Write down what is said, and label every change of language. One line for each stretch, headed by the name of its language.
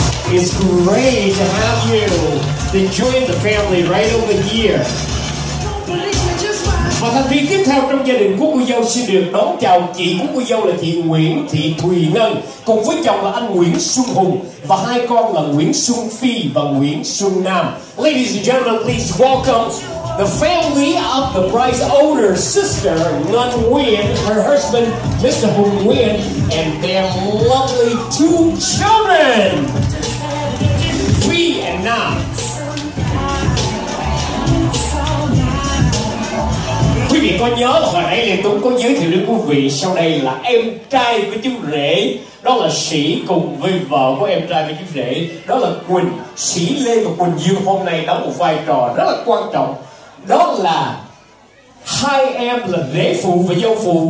English: It's great to have you to join the family right over here.
Vietnamese: Và thành viên tiếp theo trong gia đình của cô dâu xin được đón chào chị của cô dâu là chị Nguyễn Thị Thùy Ngân, cùng với chồng là anh Nguyễn Xuân Hùng và hai con là Nguyễn Xuân Phi và Nguyễn Xuân Nam.
English: Ladies and gentlemen, please welcome the family of the bride's older sister, Ngân Nguyễn, her husband, Mr. Hùng Nguyễn, and their lovely two children, Phi and Nam.
Vietnamese: Quý vị có nhớ là hồi nãy Lê Tuấn có giới thiệu đến quý vị sau đây là em trai của chú rể, đó là Sĩ cùng với vợ của em trai của chú rể, đó là Quỳnh. Sĩ Lê và Quỳnh Dương hôm nay đóng một vai trò rất là quan trọng, đó là hai em là rể phụ và dâu phụ.